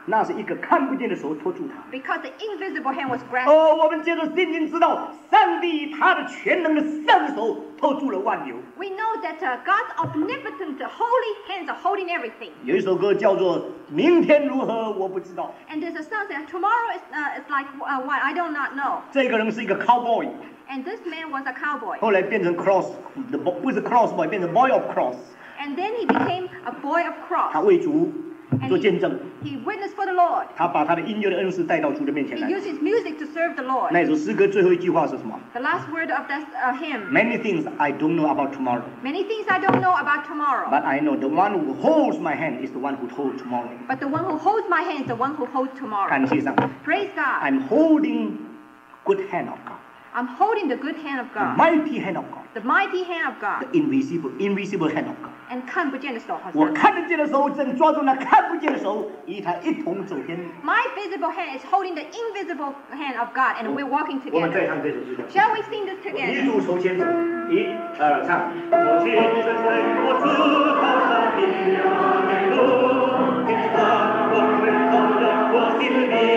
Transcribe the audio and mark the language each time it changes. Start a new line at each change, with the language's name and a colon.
Chinese: 那是一个看不见的手托住他。
English: Because the invisible hand was grasped.
Chinese: 哦，我们借着圣经知道，上帝他的全能的圣手托住了万有。
English: We know that God's omnipotent holy hands are holding everything.
Chinese: 有一首歌叫做《明天如何我不知道》。
English: And there's a song that tomorrow is like what I do not know.
Chinese: 这个人是一个 cowboy.
English: And this man was a cowboy.
Chinese: 后来变成
English: cross, the
Chinese: 不是
English: cross boy,
Chinese: 变成
English: boy of cross. And then he became a boy of cross.
Chinese: 他为主做见证。
English: He witnessed for the Lord.
Chinese: 他把他的音乐的恩赐带到主的面前来。
English: He used his music to serve the Lord.
Chinese: 那首诗歌最后一句话是什么
English: ？The last word of that hymn. Many things I don't know about tomorrow. Many things I don't know about tomorrow. But I know the one who holds my hand is the one who holds tomorrow. But the one who holds my hand is the one who holds tomorrow.
Chinese: 感谢上帝。
English: Praise God. I'm holding good hand of God. I'm holding the good hand of God. The mighty hand of God. The mighty hand of God. The invisible hand of God.
Chinese: And 看不见的手，我看得见的手正抓住那看不见的手，与他一同走天。
English: My visible hand is holding the invisible hand of God, and we're walking together.
Chinese: 我们再唱这首诗歌。
English: Shall we sing this together?
Chinese: 一路从前走，一二唱。我今生在我自高上的那一路，给你把光辉照亮我心里。